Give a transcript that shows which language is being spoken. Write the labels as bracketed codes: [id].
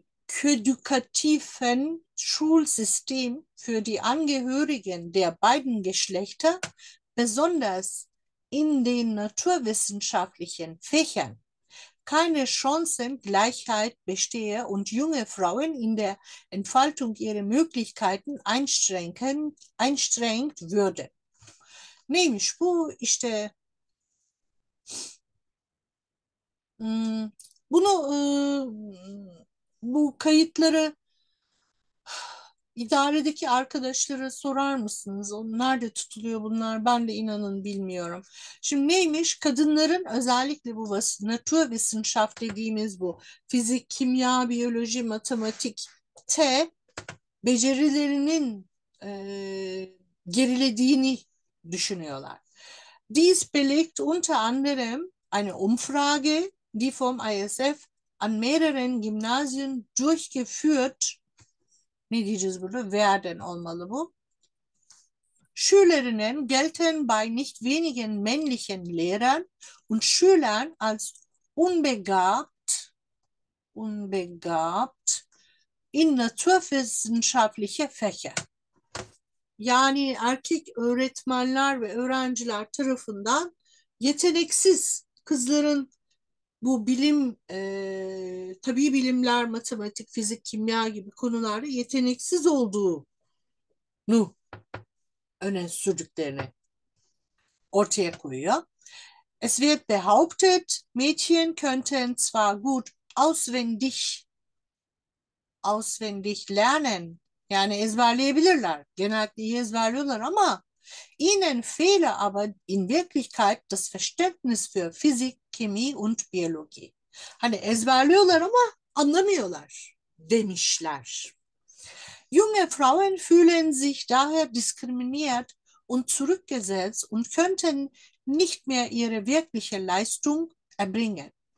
[de] ködükatifen Schulsystem für die Angehörigen der beiden Geschlechter, besonders in den naturwissenschaftlichen Fächern, keine Chancengleichheit bestehe und junge Frauen in der Entfaltung ihrer Möglichkeiten einschränkt würde. [tr] Neymiş bu işte, bunu, bu kayıtları idaredeki arkadaşlara sorar mısınız? O nerede tutuluyor bunlar? Ben de inanın bilmiyorum. Şimdi neymiş? Kadınların özellikle bu naturwissenschaft dediğimiz bu fizik, kimya, biyoloji, matematikte becerilerinin gerilediğini düşünüyorlar. [de] Dies belegt unter anderem eine Umfrage, die vom ISF an mehreren Gymnasien durchgeführt. [tr] Ne diyeceğiz burada? [de] Werden [tr] olmalı bu. [de] Schülerinnen gelten bei nicht wenigen männlichen Lehrern und Schülern als unbegabt in naturwissenschaftliche Fächer. [tr] Yani erkek öğretmenler ve öğrenciler tarafından yeteneksiz kızların bu bilim, tabii bilimler, matematik, fizik, kimya gibi konularda yeteneksiz olduğunu öne sürdüklerini ortaya koyuyor. [de] Es wird behauptet, Mädchen könnten zwar gut auswendig lernen, [tr] yani ezberleyebilirler, genellikle iyi ezberliyorlar ama [de] ihnen fehle aber in Wirklichkeit das Verständnis für Physik, Chemie und Biologie. [tr] Hani ezberliyorlar ama anlamıyorlar demişler. [de] Junge Frauen fühlen sich daher diskriminiert und zurückgesetzt und könnten nicht mehr ihre wirkliche Leistung erbringen.